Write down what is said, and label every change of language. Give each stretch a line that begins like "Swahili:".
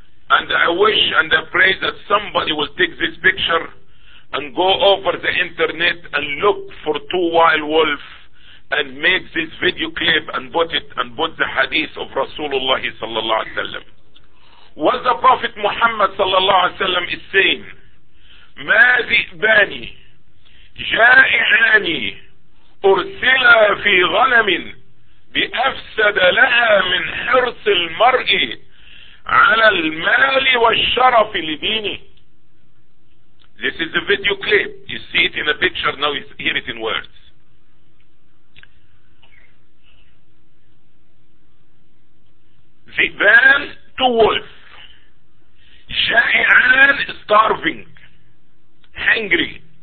English: And I wish and I pray that somebody will take this picture and go over the internet and look for two wild wolves and make this video clip and put the hadith of Rasulullah sallallahu alaihi wasallam. What the Prophet Muhammad sallallahu alaihi wasallam is saying,
Arabic: ما ذئباني جائعاني أرسلا في غنم بأفسد لها من حرص المرء على المال والشرف لديني.
English: This is a video clip. You see it in a picture, now you hear it in words. Ziban, two wolves. Jai'an, starving. Hungry.